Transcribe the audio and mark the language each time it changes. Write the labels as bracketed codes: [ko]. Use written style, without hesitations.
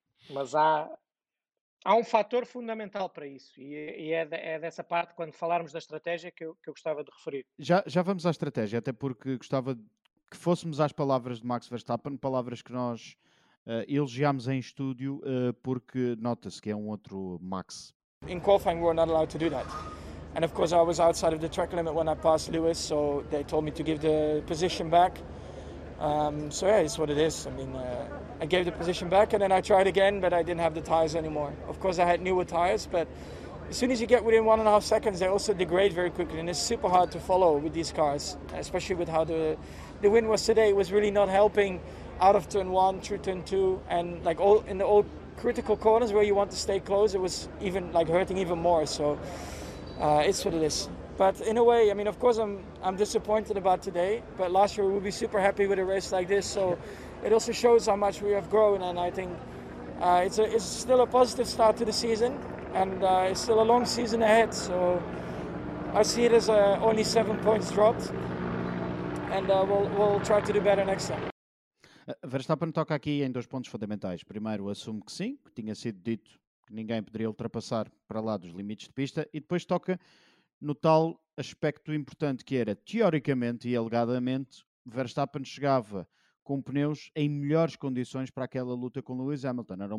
[pt] Mas há um fator fundamental para isso, e é dessa parte, quando falarmos da estratégia, que eu gostava de referir. Já vamos à estratégia, até porque gostava que fôssemos às palavras de Max Verstappen, palavras que nós elogiámos em estúdio, porque nota-se que é um outro Max. [en] In qualifying, we're not allowed to do that. And of course, I was outside of the track limit when I passed Lewis, so they told me to give the position back. So yeah, it's what it is. I mean, I gave the position back and then I tried again, but I didn't have the tires anymore. Of course, I had newer tires, but as soon as you get within 1.5 seconds, they also degrade very quickly. And it's super hard to follow with these cars, especially with how the wind was today. It was really not helping out of turn one through turn two. And like all in the old critical corners where you want to stay close, it was even like hurting even more. So. It's what it is. But in a way, I mean, of course, I'm disappointed about today, but last year we would be super happy with a race like this. So it also shows how much we have grown. And I think it's still a positive start to the season, and it's still a long season ahead. So I see it as only 7 points dropped, and we'll try to do better next time. [pt] Verstappen toca aqui em dois pontos fundamentais. Primeiro, assumo que sim, que tinha sido dito que ninguém poderia ultrapassar para lá dos limites de pista, e depois toca no tal aspecto importante que era, teoricamente e alegadamente, Verstappen chegava com pneus em melhores condições para aquela luta com Lewis Hamilton.